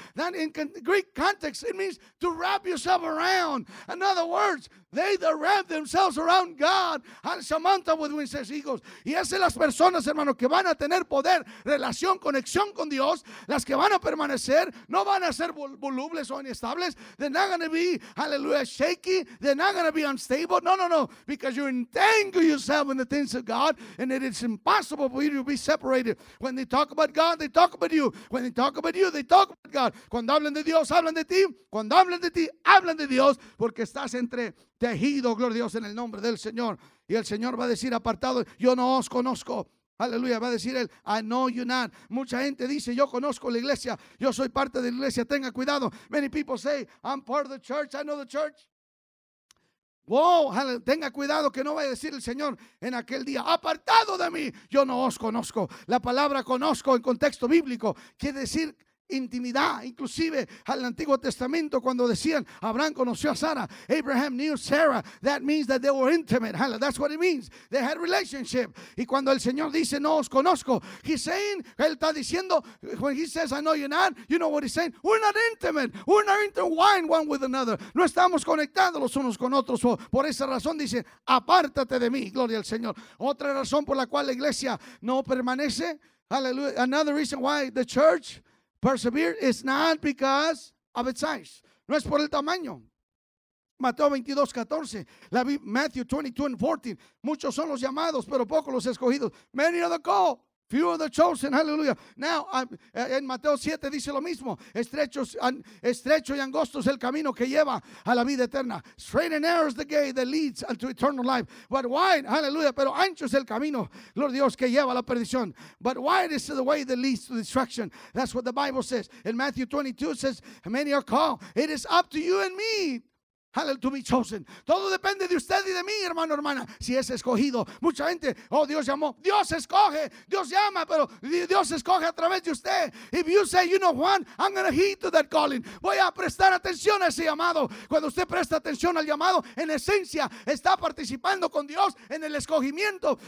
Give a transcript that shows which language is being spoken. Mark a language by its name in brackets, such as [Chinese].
[English] That in Greek context, it means to wrap yourself around. In other words, they that wrap themselves around God and Samantha with wings as eagles. [Spanish] Y esas son las personas, hermano, que van a tener poder, relación, conexión con Dios, las que van a permanecer, no van a ser volubles o inestables. [English] They're not going to be, hallelujah, shaky. They're not going to be unstable. No, no, no. Because you entangle yourself in the things of God, and it is impossible for you to be separated. When they talk about God, they talk about you. When they talk about you, they talk about God. [Spanish] Cuando hablan de Dios, hablan de ti. Cuando hablan de ti, hablan de Dios, porque estás entre tejido, gloria a Dios, en el nombre del Señor. Y el Señor va a decir, apartado, yo no os conozco. Aleluya, va a decir él, [English] I know you not. [Spanish] Mucha gente dice, yo conozco la iglesia, yo soy parte de la iglesia, tenga cuidado. [English] Many people say, I'm part of the church, I know the church. [Spanish] Wow, tenga cuidado que no vaya a decir el Señor en aquel día, apartado de mí, yo no os conozco. La palabra conozco en contexto bíblico quiere decir intimidad, inclusive al Antiguo Testamento cuando decían Abraham conoció a Sara, [English] Abraham knew Sarah, that means that they were intimate. [Spanish] Hallelujah. [English] That's what it means, they had relationship. [Spanish] Y cuando el Señor dice no os conozco, [English] he's saying, [Spanish] él está diciendo, [English] when he says I know you're not, you know what he's saying, we're not intimate, we're not intertwined one with another, [Spanish] no estamos conectados los unos con otros. Por esa razón dice apártate de mí, gloria al Señor. Otra razón por la cual la iglesia no permanece, [English] hallelujah, another reason why the church persevere is not because of its size. [Spanish] No es por el tamaño. Mateo 22:14. Matthew 22:14. Muchos son los llamados, pero pocos los escogidos. [English] Many are the called, few are the chosen. Hallelujah. Now, [Spanish] en Mateo 7 dice lo mismo. Estrecho y angosto es el camino que lleva a la vida eterna. [English] Straight and narrow is the gate that leads unto eternal life. But wide, hallelujah, [Spanish] pero ancho es el camino, Lord Dios, que lleva a la perdición. [English] But wide is the way that leads to destruction. That's what the Bible says. In Matthew 22 says, many are called. It is up to you and me. Hallelujah, to be chosen. [Spanish] Todo depende de usted y de mí, hermano, hermana, si es escogido. Mucha gente, oh, Dios llamó. Dios escoge. Dios llama, pero Dios escoge a través de usted. [English] If you say, you know, Juan, I'm going to heed to that calling. [Spanish] Voy a prestar atención a ese llamado. Cuando usted presta atención al llamado, en esencia, está participando con Dios en el escogimiento.